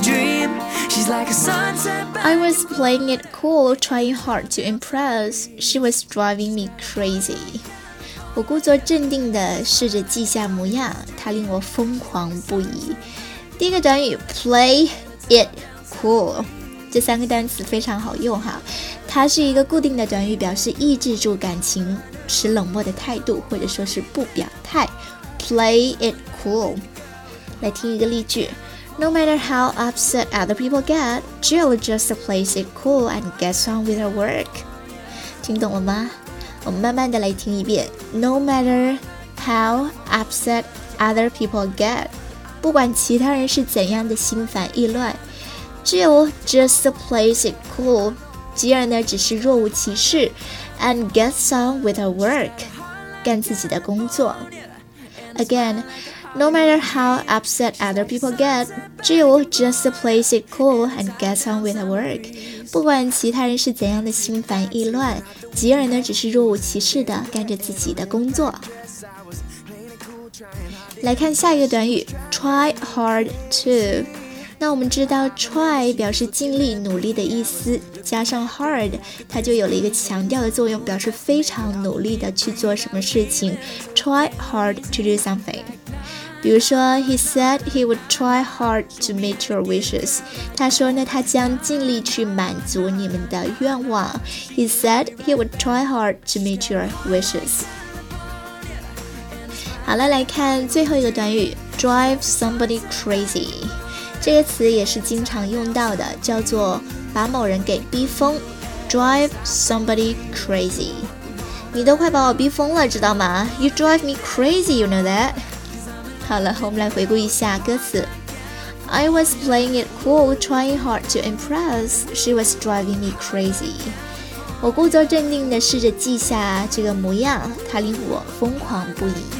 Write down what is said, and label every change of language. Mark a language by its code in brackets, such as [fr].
[en] I was playing it cool, trying hard to impress. She was driving me crazy. [zh] 我故作镇定地试着记下模样，她令我疯狂不已。第一个短语 play it cool， 这三个单词非常好用哈。它是一个固定的短语，表示抑制住感情，持冷漠的态度，或者说是不表态。 [en] Play it cool。来听一个例句 ：No matter how upset other people get, Jill just plays it cool and gets on with her work。 [zh] 听懂了吗？我们慢慢的来听一遍。 No matter how upset other people get。不管其他人是怎样的心烦意乱， Jill just plays it cool，吉尔呢只是若无其事， and gets on with her work，干自己的工作。 [en] Again， no matter how upset other people get， Jill just plays it cool and gets on with her work，不管其他人是怎样的心烦意乱，吉尔呢只是若无其事的干着自己的工作。 [zh] 来看下一个短语 try hard to。那我们知道 try 表示尽力努力的意思，加上 hard 它就有了一个强调的作用，表示非常努力的去做什么事情。 [en] try hard to do something，比如说 he said he would try hard to meet your wishes，他说呢他将尽力去满足你们的愿望。 he said he would try hard to meet your wishes。 [zh] 好了，来看最后一个短语 drive somebody crazy。这个词也是经常用到的，叫做把某人给逼疯， drive somebody crazy。你都快把我逼疯了知道吗？ [en] You drive me crazy, you know that。 [zh] 好了，我们来回顾一下歌词。 [en] I was playing it cool, trying hard to impress. She was driving me crazy。 [zh] 我故作镇定地试着记下这个模样，它令我疯狂不已。